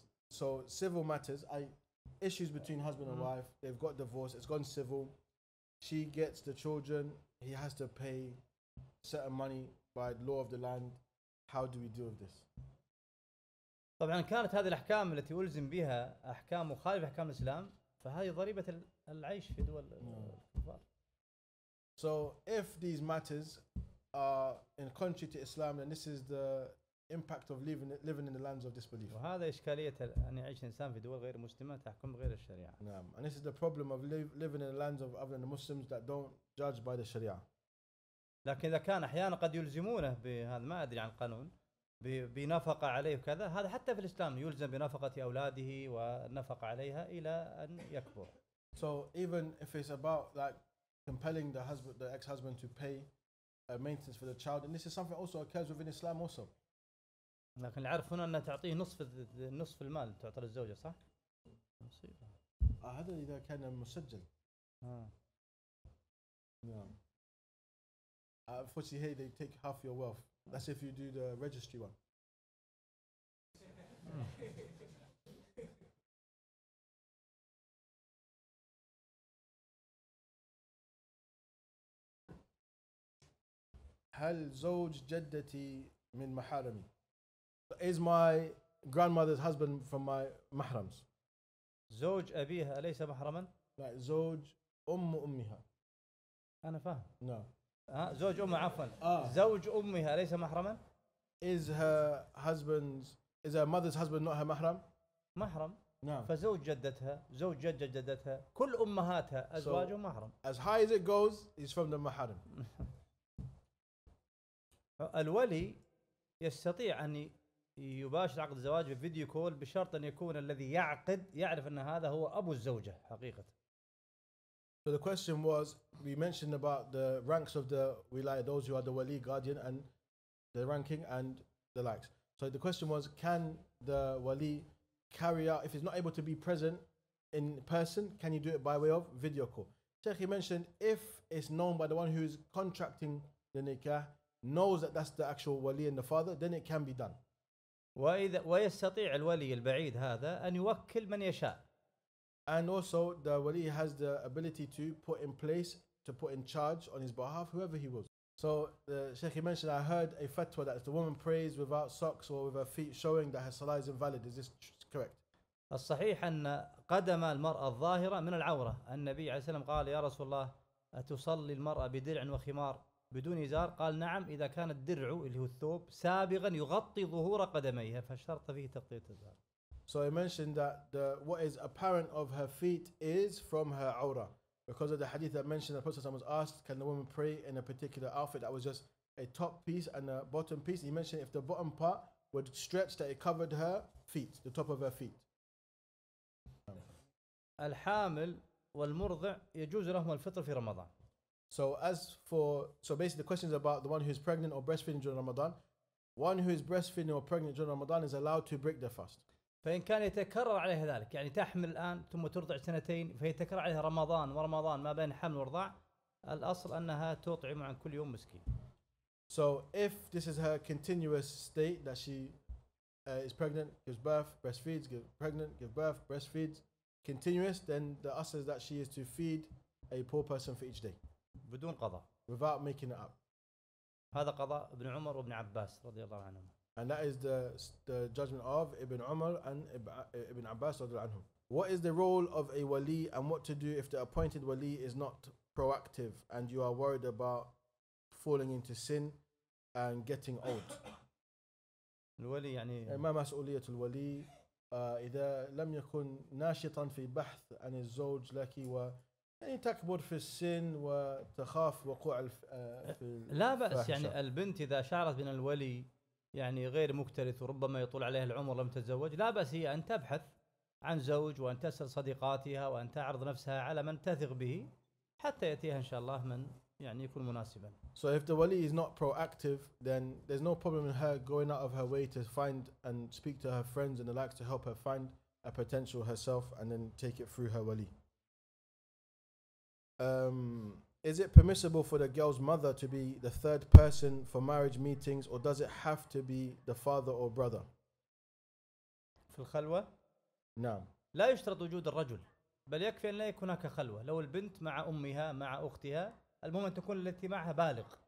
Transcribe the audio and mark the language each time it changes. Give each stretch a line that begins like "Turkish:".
English: So civil matters, issues between husband and wife, they've got divorced, it's gone civil. She gets the children, he has to pay certain money by law of the land. How do we deal with this?
Arabic: طبعا كانت هذه الأحكام التي ألزم بها أحكام مخالفة أحكام الإسلام فهذه ضريبة العيش في دول الكفار.
English: So if these matters are in contrary to Islam, then this is the impact of living in the lands of disbelief.
Arabic: وهذا إشكالية أن يعيش إنسان في دول غير مسلمة تحكم غير الشريعة. نعم.
English: And this is the problem of living in the lands of other than the Muslims that don't judge by the Sharia.
Arabic: لكن إذا كان أحيانا قد يلزمونه بهذا ما أدري عن القانون بنفقة عليه وكذا هذا حتى في الإسلام يلزم بنفقة أولاده ونفق عليها إلى أن يكبر.
English: So even if it's about like compelling the husband, the ex-husband to pay maintenance for the child, and this is something also occurs within Islam also.
Arabic: لكن عرفنا أن تعطيه نصف المال تعطى للزوجة صح؟ هذا إذا كان مسجل.
English: Yeah. Unfortunately, hey, they take half your wealth. That's if you do the registry one.
Arabic: هل زوج جدتي من محارمي؟
English: Is my grandmother's husband from my mahrams?
Arabic: زوج أبيها أليس محرما؟ لا زوج أم أمها. أنا فاهم.
English: No.
Arabic: زوج أمها عفوا. زوج أمها أليس محرما؟
English: Is her mother's husband not her mahram?
Arabic: محرم.
English: No.
Arabic: فزوج جدتها زوج جدتها كل أمهاتها أزواجهم محرم.
English: As high as it goes, he's from the mahram.
Arabic: الولي يستطيع أن يباشر عقد الزواج بفيديو كول بشرط أن يكون الذي يعقد يعرف أن هذا هو أبو الزوجة حقيقة.
English: So the question was, we mentioned about the ranks of the wilaya, those who are the wali, guardian, and the ranking and the likes. So the question was, can the wali carry out, if he's not able to be present in person, can you do it by way of video call? Sheikh, he mentioned, if it's known by the one who is contracting the nikah, knows that that's the actual wali and the father, then it can be done.
Arabic: وإذا ويستطيع الولي البعيد هذا أن يوكل من يشاء.
English: And also the wali has the ability to put in place, to put in charge on his behalf, whoever he was. So the Sheikh mentioned, I heard a fatwa that if the woman prays without socks or with her feet showing that her salah is invalid, is this correct?
Arabic: الصحيح أن قدم المرأة الظاهرة من العورة. النبي عليه الصلاة والسلام قال يا رسول الله أتصلي المرأة بدرع وخمار؟ بدون إزار قال نعم إذا كان الدرع اللي هو الثوب سابغا يغطي ظهور قدميها فشرط فيه تغطية الإزار.
English: So he mentioned that the what is apparent of her feet is from her awra because of the hadith that mentioned the Prophet was asked can the woman pray in a particular outfit that was just a top piece and a bottom piece. He mentioned if the bottom part would stretch that it covered her feet, the top of her feet.
Arabic: الحامل والمرضع يجوز لهم الفطر في رمضان.
English: So basically the question is about the one who is pregnant or breastfeeding during Ramadan. One who is breastfeeding or pregnant during Ramadan is allowed to break their fast.
Arabic: فإن كان يتكرر عليها ذلك يعني تحمل الآن ثم ترضع سنتين فيتكرر عليها رمضان ورمضان ما بين حمل ورضع الأصل أنها تطعم عن كل يوم مسكين.
English: So if this is her continuous state that she is pregnant, gives birth, breastfeeds, gives pregnant, gives birth, breastfeeds, continuous, then the Asr is that she is to feed a poor person for each day.
Arabic: بدون قضاء.
English: Without making it up.
Arabic: هذا قضاء ابن عمر وابن عباس رضي الله عنهم.
English: And that is the judgment of Ibn Umar and Ibn Abbas
Arabic: رضي الله عنهم.
English: What is the role of a wali and what to do if the appointed wali is not proactive and you are worried about falling into sin and getting old?
Arabic: الولي يعني ما مسؤولية الولي إذا لم يكن ناشطا في بحث عن الزوج لك يعني تكبر في السن وتخاف وقوع في لا بأس يعني البنت إذا شعرت بأن الولي يعني غير مكترث وربما يطول عليها العمر لم تتزوج لا بأس هي أن تبحث عن زوج وأن تسأل صديقاتها وأن تعرض نفسها على من تثق به حتى يأتيها إن شاء الله من يعني يكون مناسبا.
English: So if the wali is not proactive, then there's no problem in her going out of her way to find and speak to her friends and the likes to help her find a potential herself and then take it through her wali. Is it permissible for the girl's mother to be the third person for marriage meetings or does it have to be the father or brother?
Arabic: في الخلوة؟ نعم. لا يشترط وجود الرجل بل يكفي أن لا يكون هناك خلوة لو البنت مع أمها مع أختها المهم تكون التي معها بالغ.